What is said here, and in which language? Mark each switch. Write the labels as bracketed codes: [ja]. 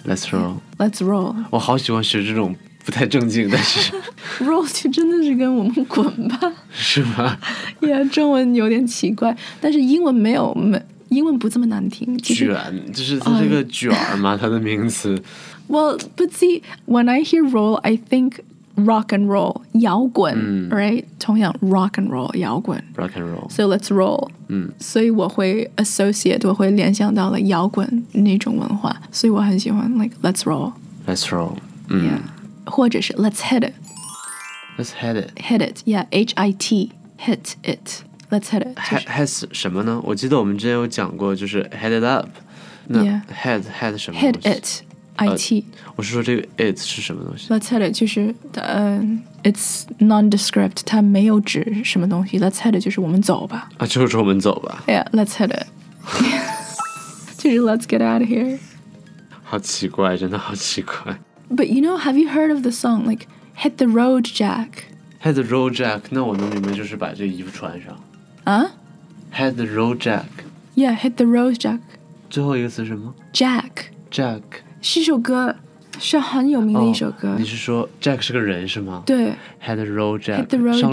[en] Let's roll Let's roll [zh] 我好喜欢学这种不太正经，但是 roll 就真的是跟我们滚吧，是吗？ yeah, 中文有点奇怪，但是英文没有，英文不这么难听，其实卷，就是它这个卷嘛，它的名词。 [en] Well, but see, when I hear roll, I think rock and roll, 摇滚、嗯、 right? [zh] 同样 [en] rock and roll, 摇滚 rock and roll. So let's roll.、嗯、 [zh] 所以我会 associate, 我会联想到了摇滚那种文化，所以我很喜欢 [en] like, let's roll. Let's roll.、嗯、 yeah. [zh] 或者是 [en] let's hit it. Let's hit it. Hit it, yeah, H-I-T, hit it. Let's hit it. [zh] Head 什么呢？我记得我们之前有讲过，就是 [en] head it up. [zh] 那 head、 [en] yeah. [zh] head 什么 [en] ？Head it, it.、 [zh] 我是说这个 it 是什么东西 [en] ？Let's hit it 就是it's nondescript, [zh] 它没有指什么东西。 [en] Let's hit it [zh] 就是我们走吧。啊，就是我们走吧。 [en] Yeah, let's hit it. [zh] 就是 [en] let's get out of here. [zh] 好奇怪，真的好奇怪。 [en] But you know, have you heard of the song like "Hit the Road, Jack"? Hit the Road, Jack. [zh] 那我能明白就是把这衣服穿上。 [en] Hit the road jack. Yeah, hit the road jack. [zh] 最后一个词什么 [en] ？Jack. Jack. [zh] 是首歌，是很有名的一首歌。哦、你是说 Jack 是个人是吗？对。 [en] Hit the road jack. Hit the road jack.